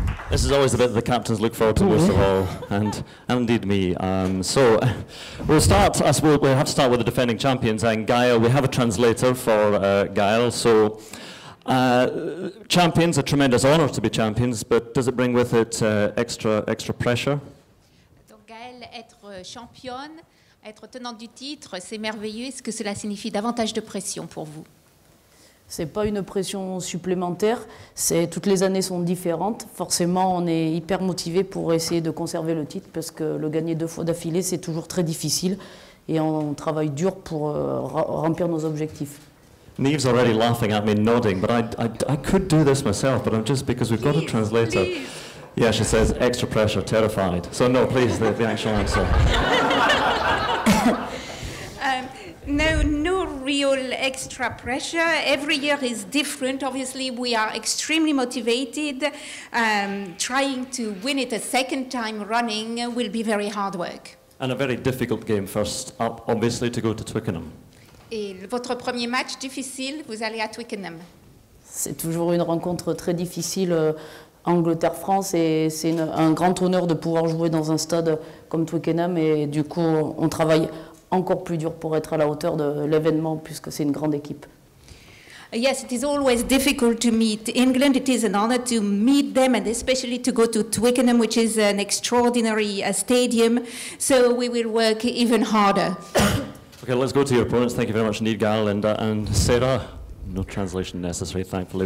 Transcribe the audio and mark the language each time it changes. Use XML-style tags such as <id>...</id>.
<en>This is always the bit the captains look forward to most of all, and indeed me. So we'll start, as we'll have to start with the defending champions, and Gael. We have a translator for Gael. So champions, a tremendous honour to be champions, but does it bring with it extra pressure?</en> <fr>Donc Gael, être championne, être tenant du titre, c'est merveilleux. Est-ce que cela signifie davantage de pression pour vous? Ce n'est pas une pression supplémentaire, c'est, toutes les années sont différentes. Forcément, on est hyper motivé pour essayer de conserver le titre parce que le gagner deux fois d'affilée, c'est toujours très difficile et on travaille dur pour remplir nos objectifs.</fr> <en>Niamh's already laughing at me, nodding, but I could do this myself, but I'm just because we've got a translator. Please. Yeah, she says extra pressure, terrified. So no, please, the actual answer. No real extra pressure. Every year is different. Obviously, we are extremely motivated. Trying to win it a second time running will be very hard work. And a very difficult game first up, obviously, to go to Twickenham.</en> <fr>Et votre premier match difficile, vous allez à Twickenham. C'est toujours une rencontre très difficile, Angleterre-France, et c'est un grand honneur de pouvoir jouer dans un stade comme Twickenham, et du coup, on travaille encore plus dur pour être à la hauteur de l'événement puisque c'est une grande équipe.</fr> <en>Yes, it is always difficult to meet England. It is an honor to meet them and especially to go to Twickenham, which is an extraordinary stadium. So we will work even harder. Okay, let's go to your opponents. Thank you very much, indeed, Gael and Sarah. No translation necessary, thankfully.</en>